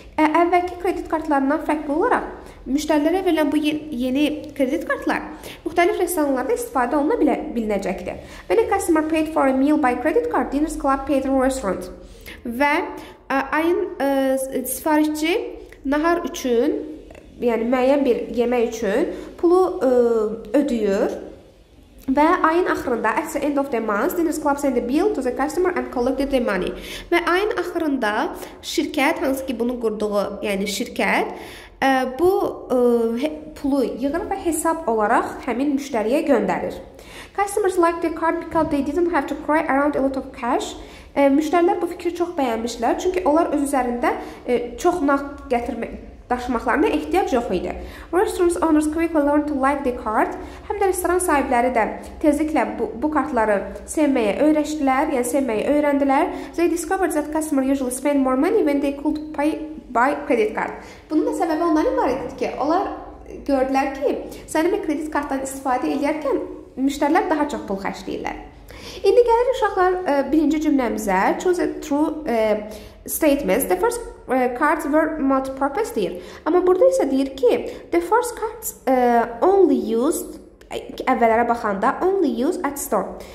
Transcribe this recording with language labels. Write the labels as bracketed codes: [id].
[az] Əvvəlki kredit kartlarından fərqli olaraq müştərilərə verilən bu yeni kredit kartlar müxtəlif restoranlarda istifadə oluna bilinəcəkdir. [en] When a customer paid for a meal by credit card, Dinners Club paid the restaurant. [az] Və ayın sifarişçi nahar üçün, yəni müəyyən bir yemək üçün pulu ödəyir. Və ayın axırında, [en] at the end of the month, Dinners Club sent the bill to the customer and collected the money. [az] Və ayın axırında şirkət, hansı ki bunu qurduğu yəni şirkət, bu pulu yığır və hesab olaraq həmin müştəriyə göndərir. [en] Customers liked the card because they didn't have to carry around a lot of cash. [az] Müştərilər bu fikri çox bəyənmişlər, çünki onlar öz üzərində çox nağd gətirmək, daşımaqlarına ehtiyac yox idi. [en] Restaurant owners quickly learned to like the card. [az] Həm də restoran sahibləri də tezliklə bu kartları sevməyə öyrəşdilər, yəni sevməyə öyrəndilər. [en] They discovered that customers usually spend more money when they could pay by credit card. [az] Bunun da səbəbi onlar ibarət idi ki, onlar gördülər ki, sənəmə kredit kartdan istifadə edərkən müştərilər daha çox pul xərcləyirlər. İndi gəlir uşaqlar birinci cümləmizə. [en] Choose a true statements. The first cards were multi-purpose [az] deyir. Amma burada isə deyir ki, [en] the first cards only used, [az] əvvələrə baxanda, [en] only used at store.